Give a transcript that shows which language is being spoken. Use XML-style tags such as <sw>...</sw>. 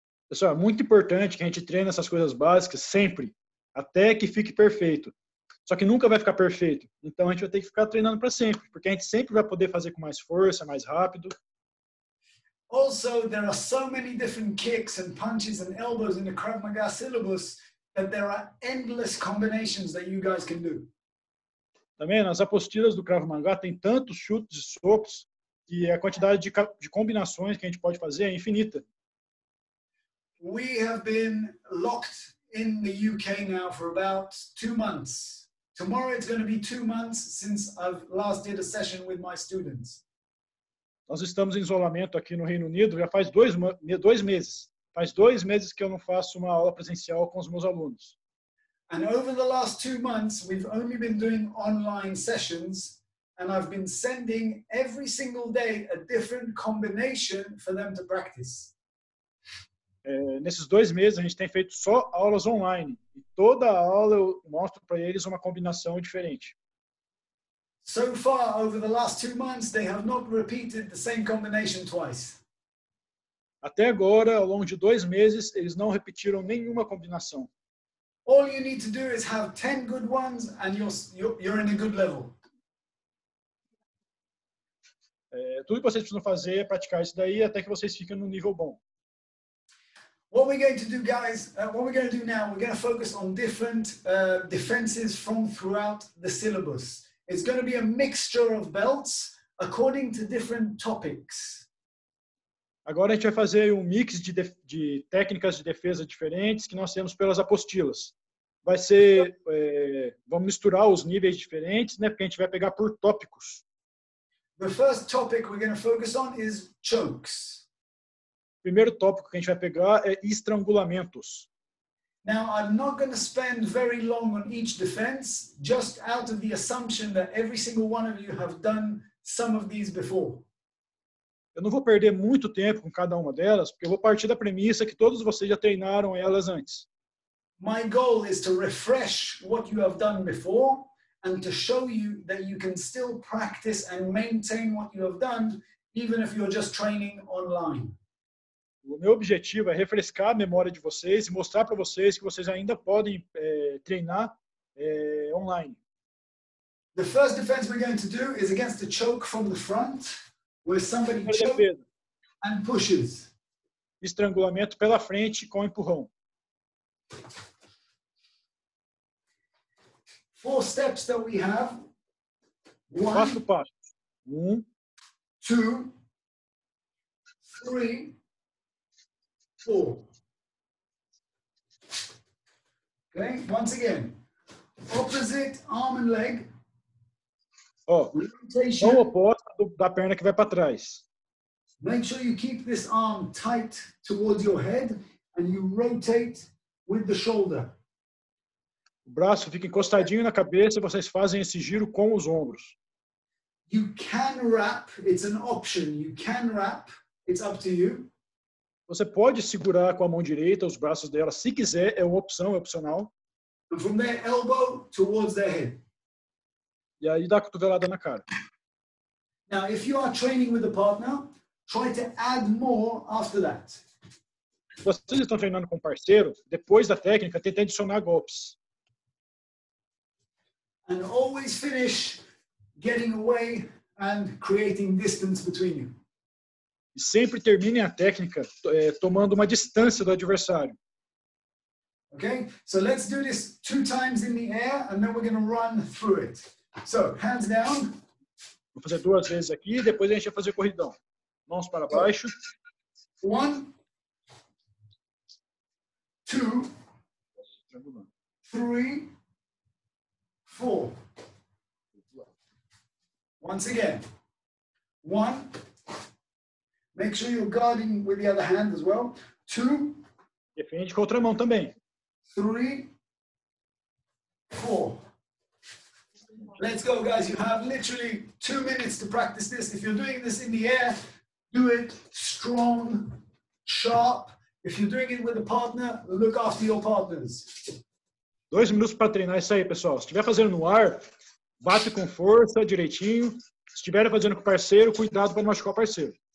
<pt>Pessoal, é muito importante que a gente treine essas coisas básicas sempre. Até que fique perfeito. Só que nunca vai ficar perfeito. Então a gente vai ter que ficar treinando para sempre, porque a gente sempre vai poder fazer com mais força, mais rápido.</pt> <en>Also, there are so many different kicks and punches and elbows in the Krav Maga syllabus that there are endless combinations that you guys can do.</en> <pt>Também nas apostilas do Krav Maga tem tantos chutes e socos que a quantidade de combinações que a gente pode fazer é infinita.</pt> <en>We have been locked in the UK now for about 2 months. Tomorrow it's going to be 2 months since I've last did a session with my students.</en> <pt>Nós estamos em isolamento aqui no Reino Unido já faz dois meses. Faz 2 meses que eu não faço uma aula presencial com os meus alunos.</pt> <en>And over the last 2 months, we've only been doing online sessions, and I've been sending every single day a different combination for them to practice.</en> <pt>Nesses 2 meses, a gente tem feito só aulas online. E toda aula eu mostro para eles uma combinação diferente.</pt> <en>So far, over the last 2 months, they have not repeated the same combination twice.</en> <pt>Até agora, ao longo de 2 meses, eles não repetiram nenhuma combinação.</pt> <en>All you need to do is have 10 good ones and you're in a good level.</en> <pt>Tudo que vocês precisam fazer é praticar isso daí até que vocês fiquem num nível bom.</pt> <en>What we're going to do, guys, what we're going to do now, we're going to focus on different defenses from throughout the syllabus. It's going to be a mixture of belts according to different topics.</en> <pt>Agora a gente vai fazer um mix de técnicas de defesa diferentes que nós temos pelas apostilas. Vai ser, vamos misturar os níveis diferentes, né? Porque a gente vai pegar por tópicos.</pt> <en>The first topic we're going to focus on is chokes.</en> <pt>Primeiro tópico que a gente vai pegar é estrangulamentos.</pt> <en>Now, I'm not going to spend very long on each defense, just out of the assumption that every single one of you have done some of these before.</en> <pt>Eu não vou perder muito tempo com cada uma delas, porque eu vou partir da premissa que todos vocês já treinaram elas antes.</pt> <en>My goal is to refresh what you have done before and to show you that you can still practice and maintain what you have done, even if you're just training online.</en> <pt>O meu objetivo é refrescar a memória de vocês e mostrar para vocês que vocês ainda podem treinar online.</pt> <en>The first defense we're going to do is against the choke from the front, where somebody chokes and pushes.</en> <pt>Estrangulamento pela frente com empurrão.</pt> <en>Four steps that we have.</en> <pt>One, passo a passo. Um,</pt> <en>two, three, four. Okay, once again. Opposite arm and leg.</en> <pt>Oh, ao oposto da perna que vai para trás.</pt> <en>Make sure you keep this arm tight towards your head and you rotate with the shoulder.</en> <pt>O braço fica encostadinho na cabeça e vocês fazem esse giro com os ombros.</pt> <en>You can wrap, it's an option. You can wrap, it's up to you.</en> <pt>Você pode segurar com a mão direita os braços dela, se quiser, é uma opção, é opcional.</pt> <en>And from their elbow towards their head.</en> <pt>E aí dá a cotovelada na cara.</pt> <en>Now, if you are training with a partner, try to add more after that.</en> <pt>Se vocês estão treinando com um parceiro, depois da técnica, tenta adicionar golpes.</pt> <en>And always finish getting away and creating distance between you.</en> <pt>E sempre terminem a técnica tomando uma distância do adversário.</pt> <en>Okay? So let's do this two times in the air and then we're going to run through it. So, hands down.</en> <pt>Vou fazer duas vezes aqui e depois a gente vai fazer corridão. Mãos para baixo.</pt> <en>One. Two. Three. Four. Once again. One. Make sure you're guarding with the other hand as well. Two.</en> <pt>Defende com a outra mão também.</pt> <en>Three. Four. Let's go, guys. You have literally 2 minutes to practice this. If you're doing this in the air, do it strong, sharp. If you're doing it with a partner, look after your partners.</en> <pt>2 minutos para treinar isso aí, pessoal. Se estiver fazendo no ar, bate com força, direitinho. Se estiver fazendo com o parceiro, cuidado para não machucar o parceiro.</pt>